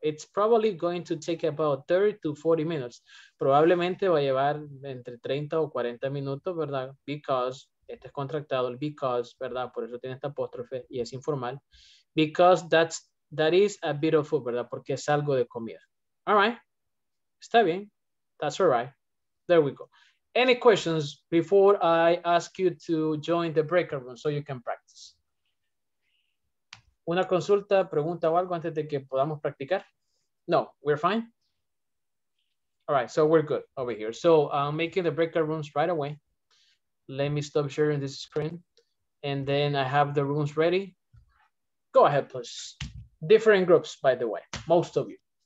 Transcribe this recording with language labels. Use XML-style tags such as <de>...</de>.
<en>It's probably going to take about 30 to 40 minutes.</en> <es>Probablemente va a llevar entre 30 o 40 minutos, ¿verdad? Because, este es contractado, el because, ¿verdad? Por eso tiene esta apóstrofe y es informal.</es> <en>Because that is a bit of food,</en> <es>¿verdad? Porque es algo de comida.</es> <en>All right.</en> <es>Está bien.</es> <en>That's all right. There we go. Any questions before I ask you to join the breakout room so you can practice?</en> <es>¿Una consulta, pregunta o algo antes de que podamos practicar?</es> <en>No, we're fine. All right, so we're good over here. So I'm making the breakout rooms right away. Let me stop sharing this screen. And then I have the rooms ready. Go ahead, please. Different groups, by the way, most of you.</en>